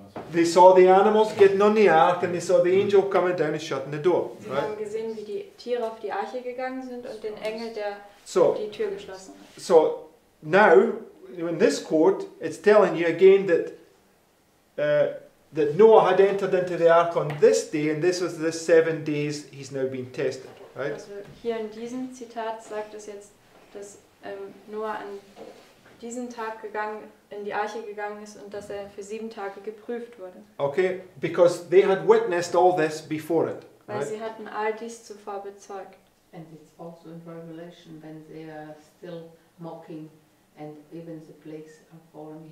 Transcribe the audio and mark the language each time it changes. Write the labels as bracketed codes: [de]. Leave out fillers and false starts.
[en] They saw the animals getting on the ark and they saw the angel coming down and shutting the door. [de] Sie haben gesehen, wie die Tiere auf die Arche gegangen sind und den Engel, der die Tür geschlossen hat. [en] So now, in this quote, it's telling you again that that Noah had entered into the ark on this day and this was the 7 days he's now been tested, right? [de] Also hier in diesem Zitat sagt es jetzt, dass Noah an diesen Tag gegangen, in die Arche gegangen ist und dass er für 7 Tage geprüft wurde. [en] Okay, because they had witnessed all this before it. [de] Weil [en] right? [de] Sie hatten all dies zuvor bezeugt. [en] And it's also in Revelation when they are still mocking and even the plagues are falling.